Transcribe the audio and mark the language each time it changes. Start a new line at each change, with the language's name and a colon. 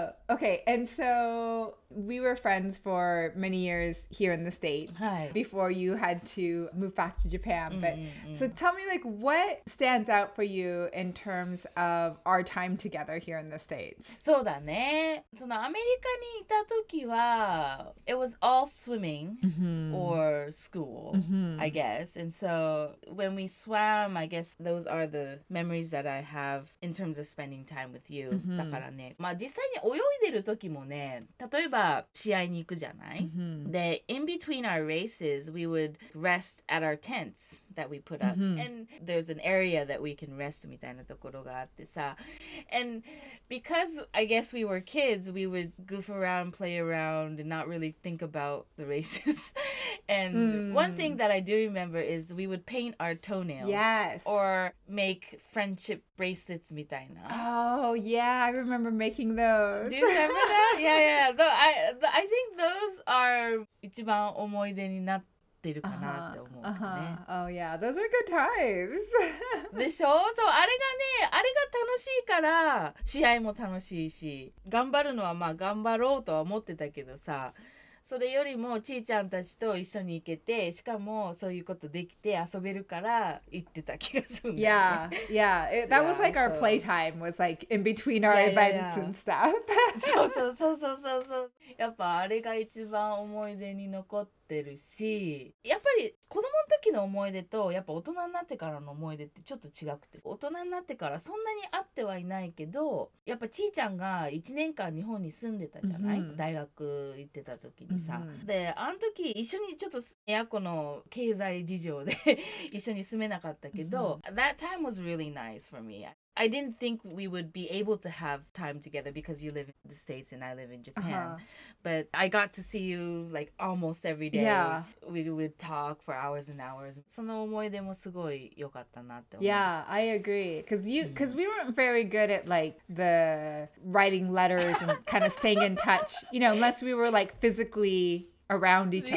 English: okay, and so we were friends for many years here in the States before you had to move back to Japan. But so tell me, like, what stands out for you in terms of our time together here in the States?
Japanese: そうだね。そのアメリカにいた時は、
English: it was all swimming or school, I guess. And so when we swam, I guess those are the memories that I have in terms of spending time with you.
Japanese: だからね。まあ実際に泳いでる時もね、例えば試合に行くじゃない、で、
English: in between our races, we would rest at our tents that we put up. And there's an area that we can rest
Japanese: みたいなところがあってさ。
English: And because I guess we were kids, we would goof around, play around, and not really think about the races. And one thing that I do remember is we would paint our toenails. Yes. Or make friendship bracelets
Japanese: みたいな。
English: Oh, yeah, I remember making those. Do you remember that? Yeah, yeah. Though I think those are
Japanese: 一番思い出になってるかなって思うね。
English: Oh yeah, those are good times.
Japanese: でしょ？そう、あれがね、あれが楽しいから試合も楽しいし、頑張るのはまあ頑張ろうとは思ってたけどさ、それよりもちーちゃんたちと一緒に行けて、しかもそういうことできて遊べるから行ってた気がするんだよね。
English: Yeah, yeah. It, that was like our playtime was like in between our events and stuff.
Japanese: そうそうそうそう。やっぱあれが一番思い出に残ってるし、やっぱり子供の時の思い出とやっぱ大人になってからの思い出ってちょっと違くて、大人になってからそんなに会ってはいないけど、やっぱちーちゃんが1年間日本に住んでたじゃない、mm-hmm. 大学行ってた時にさ、mm-hmm. であの時一緒にちょっとやこの経済事情で一緒に住めなかったけど、mm-hmm.
English: That time was really nice for meI didn't think we would be able to have time together because you live in the States and I live in Japan. Uh-huh. But I got to see you like almost every day. Yeah. We would talk for hours and hours.
Japanese: その思い出もすごい良かったなって思う。
English: Yeah, I agree. Because we weren't very good at like the writing letters and kind of staying in touch. You know, unless we were like physically around each other.